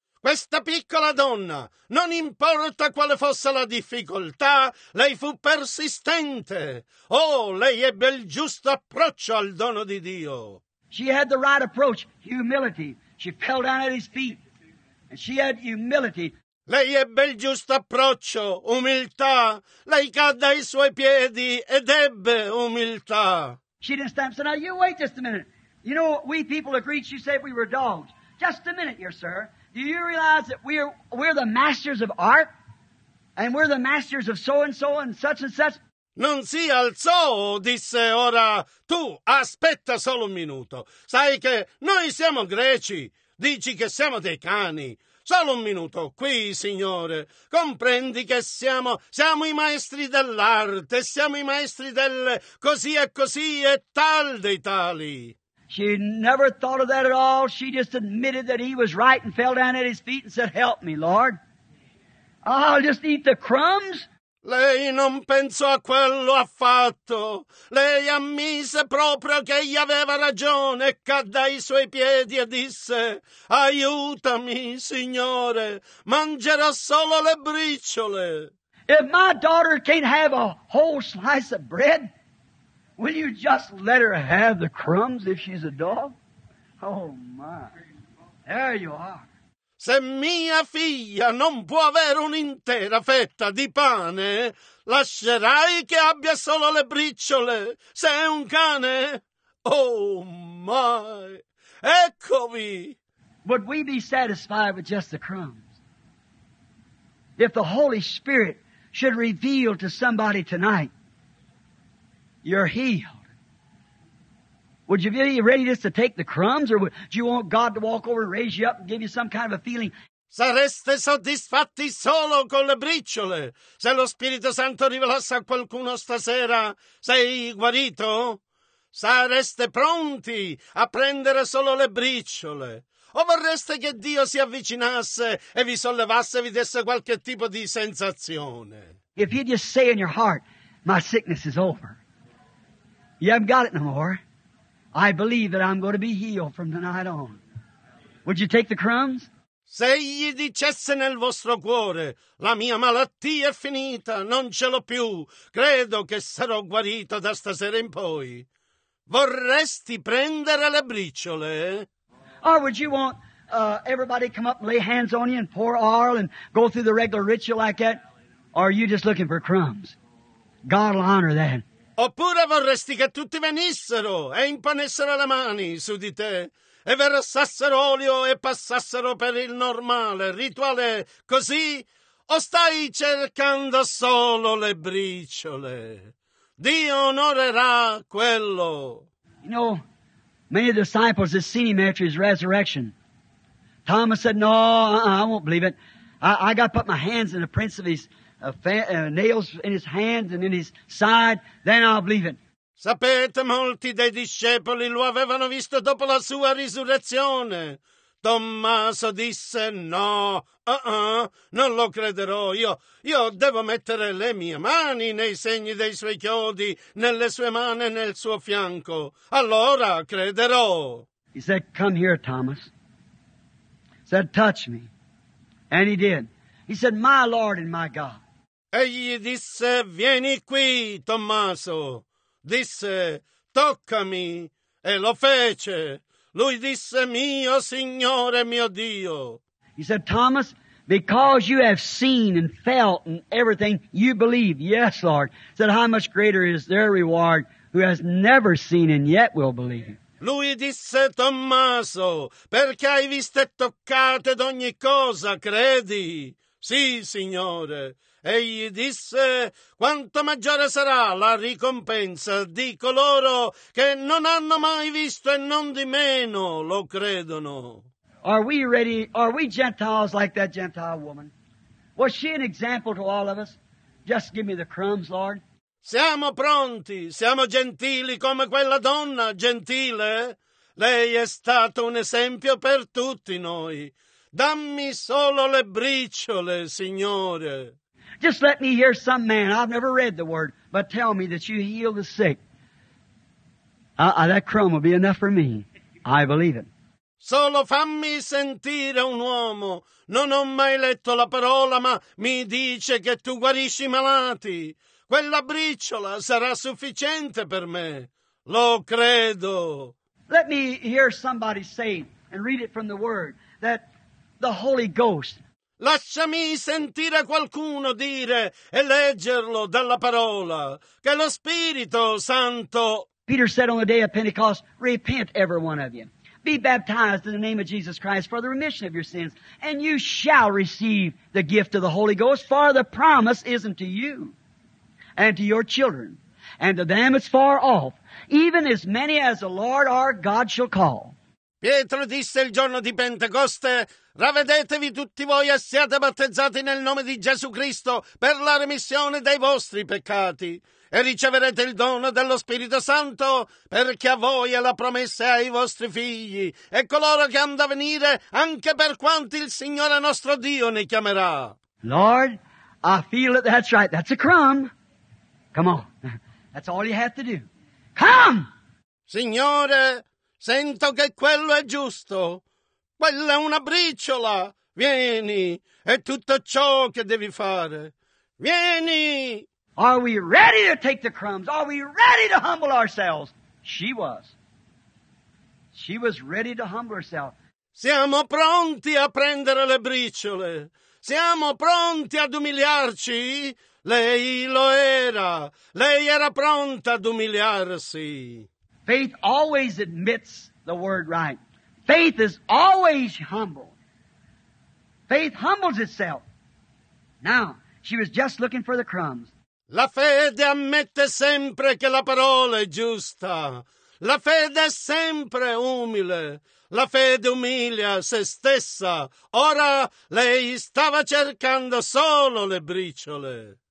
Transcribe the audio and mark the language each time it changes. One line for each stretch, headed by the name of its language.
Italian: Questa piccola donna, non importa quale fosse la difficoltà, lei fu persistente. Oh, lei ebbe il giusto approccio al dono di Dio.
English: She had the right approach, humility. She fell down at his feet. And she had humility.
Italian: Lei ebbe il giusto approccio, umiltà. Lei cadde ai suoi piedi ed ebbe umiltà.
English: She didn't stand. So now you wait just a minute. You know, we people agreed, she said we were dogs. Just a minute here, sir. Do you realize that we're the masters of art? And we're the masters of so-and-so and such-and-such?
Italian: Non si alzò, disse ora, tu aspetta solo un minuto. Sai che noi siamo greci, dici che siamo dei cani. Solo un minuto, qui, signore, comprendi che siamo i maestri dell'arte, siamo i maestri del così e così e tal dei tali.
English: She never thought of that at all. She just admitted that he was right and fell down at his feet and said, help me, Lord. I'll just eat the crumbs.
Italian: Lei non pensò a quello affatto. Lei ammise proprio che egli aveva ragione e cadde ai suoi piedi e disse, aiutami, signore, mangerò solo le briciole.
English: If my daughter can't have a whole slice of bread, will you just let her have the crumbs if she's a dog? Oh, my. There you are.
Italian: Se mia figlia non può avere un'intera fetta di pane, lascerai che abbia solo le briciole? Se è un cane?
English: Oh, my.
Italian: Eccovi.
English: Would we be satisfied with just the crumbs? If the Holy Spirit should reveal to somebody tonight, you're healed. Would you be ready just to take the crumbs, or do you want God to walk over and raise you up and give you some kind of a feeling?
Italian: Sareste soddisfatti solo con le briciole. Se lo Spirito Santo rivelasse a qualcuno stasera, sei guarito? Sareste pronti a prendere solo le briciole? O vorreste che Dio si avvicinasse e vi sollevasse e vi desse qualche tipo di sensazione?
English: If you just say in your heart, my sickness is over. You haven't got it no more. I believe that I'm going to be healed from tonight on. Would you take the crumbs?
Italian: Se gli dicesse nel vostro cuore, la mia malattia è finita, non ce l'ho più, credo che sarò guarito da stasera in poi, vorresti prendere le briciole?
English: Or would you want everybody come up and lay hands on you and pour oil and go through the regular ritual like that? Or are you just looking for crumbs? God will honor that.
Italian: Oppure vorresti che tutti venissero e imponessero le mani su di te e versassero olio e passassero per il normale rituale così? O stai cercando solo le briciole? Dio onorerà quello.
English: You know, many of the disciples had seen him after his resurrection. Thomas said, no, I won't believe it. I got to put my hands in the prints of his nails in his hands and in his side, then I'll believe it.
Italian: Sapete, molti dei discepoli lo avevano visto dopo la sua risurrezione. Tommaso disse, no, non lo crederò. Io devo mettere le mie mani nei segni dei suoi chiodi, nelle sue mani e nel suo fianco. Allora crederò.
English: He said, come here, Thomas. He said, touch me. And he did. He said, my Lord and my God.
Italian: Egli disse, vieni qui, Tommaso. Disse, toccami. E lo fece. Lui disse, mio Signore, mio Dio.
English: He said, Thomas, because you have seen and felt and everything, you believe. Yes, Lord. He said, how much greater is their reward who has never seen and yet will believe.
Italian: Lui disse, Tommaso, perché hai visto e toccato ed ogni cosa, credi? Sì, Signore. Egli disse, quanto maggiore sarà la ricompensa di coloro che non hanno mai visto e non di meno lo credono.
English: Are we ready? Are we Gentiles like that Gentile woman? Was she an example to all of us? Just give me the crumbs, Lord.
Italian: Siamo pronti, siamo gentili come quella donna gentile. Lei è stato un esempio per tutti noi. Dammi solo le briciole, Signore.
English: Just let me hear some man, I've never read the word, but tell me that you heal the sick. That crumb will be enough for me. I believe it.
Italian: Solo fammi sentire un uomo. Non ho mai letto la parola, ma mi dice che tu guarisci i malati. Quella briciola sarà sufficiente per me. Lo credo.
English: Let me hear somebody say and read it from the word that the Holy Ghost.
Italian: Lasciami sentire qualcuno dire e leggerlo dalla parola che lo Spirito Santo.
English: Peter said on the day of Pentecost, repent every one of you. Be baptized in the name of Jesus Christ for the remission of your sins, and you shall receive the gift of the Holy Ghost, for the promise is unto you and to your children, and to them it's far off, even as many as the Lord our God shall call.
Italian: Pietro disse il giorno di Pentecoste, ravvedetevi tutti voi e siate battezzati nel nome di Gesù Cristo per la remissione dei vostri peccati. E riceverete il dono dello Spirito Santo, perché a voi è la promessa ai vostri figli, e coloro che hanno da venire, anche per quanti il Signore nostro Dio ne chiamerà.
English: Lord, I feel that that's right. That's a crumb. Come on. That's all you have to do. Come!
Italian: Signore, sento che quello è giusto. Quella è una briciola. Vieni. È tutto ciò che devi fare. Vieni!
English: Are we ready to take the crumbs? Are we ready to humble ourselves? She was. She was ready to humble herself.
Italian: Siamo pronti a prendere le briciole. Siamo pronti ad umiliarci? Lei lo era. Lei era pronta ad umiliarsi.
English: Faith always admits the word right. Faith is always humble. Faith humbles itself. Now, she was just looking for the crumbs.
Italian: La fede ammette sempre che la parola è giusta. La fede è sempre umile. La fede umilia se stessa. Ora lei stava cercando solo le briciole.